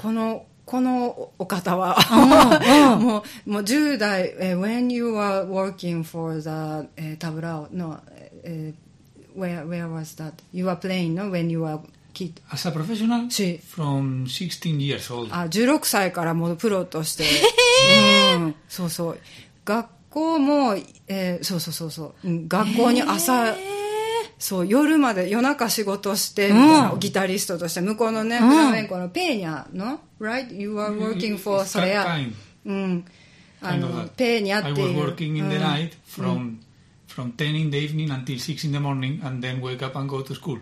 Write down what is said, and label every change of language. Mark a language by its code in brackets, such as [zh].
[ja] このお方はもう10代 [en] When you were working for the Tablao の、Where was that? You were playing, no? When you were kid. As a professional? [es] Si. [en] From 16 years old. [ja] Ah, 16歳からもうプロとして。うん、そうそう。学校も、そうそうそうそう。学校に朝、そう、夜まで、夜中仕事して、うん、ギタリストとして、向こうのね、フラメンコのペーニャの、right? [en] You were working for [ja] it's それや。うん。あの、ペーニャっていう。 [en] I was working in the night from、うんfrom 10 in the evening until 6 in the morning and then wake up and go to school.